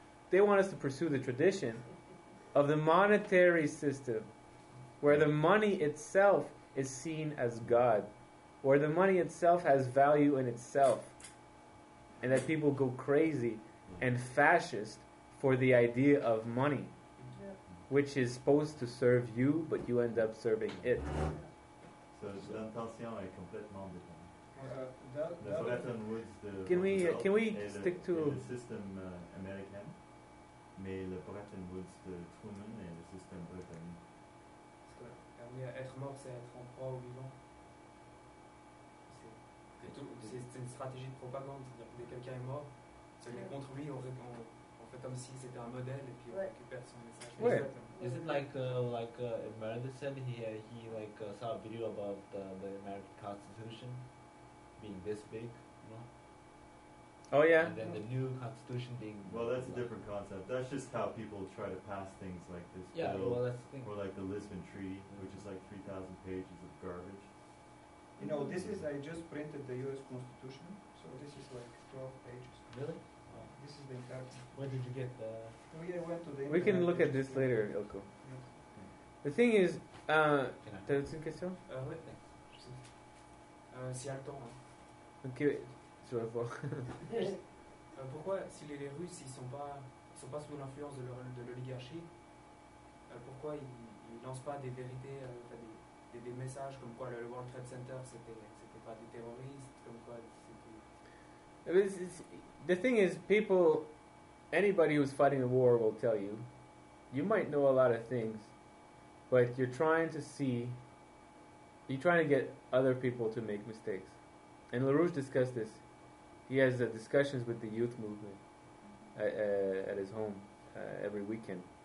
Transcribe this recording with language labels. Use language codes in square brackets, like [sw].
[en] They want us to pursue the tradition of the monetary system, where the money itself is seen as God, where the money itself has value in itself, and that people go crazy and fascist for the idea of money, which is supposed to serve you, but you end up serving it. So the intention is completely different. The Bretton Woods. Can we stick to the system American, but the Bretton Woods the Truman and the system Britain. Because [fr] être mort, c'est être en proie au vivant. C'est une stratégie de propagande. C'est-à-dire que dès quelqu'un est mort, c'est contre lui. Comme si c'était un modèle et puis on récupère son message. Ouais. [en] Is it like Meredith said he saw a video about the American Constitution being this big, you know? Oh yeah. And then the new Constitution being. Well, that's a different concept. That's just how people try to pass things like this. Yeah. Bill, well, that's the thing. Or like the Lisbon Treaty, which is like 3,000 pages of garbage. You know, this is I just printed the U.S. Constitution, so this is like 12 pages. Really? This is the entire. Where did you get the? We went to the. We can look at this later, Ilko. Yes. [fr] The thing is, t'as une question? Si y a le temps. Hein. Ok, tu vas voir. pourquoi, si les Russes, ils sont pas sous l'influence de l'oligarchie, pourquoi ils lancent pas des vérités, des messages comme quoi le World Trade Center c'était pas des terroristes, comme quoi c'était. [en] The thing is, people, anybody who's fighting a war will tell you, you might know a lot of things, but you're trying to get other people to make mistakes. And LaRouche discussed this. He has discussions with the youth movement at his home every weekend.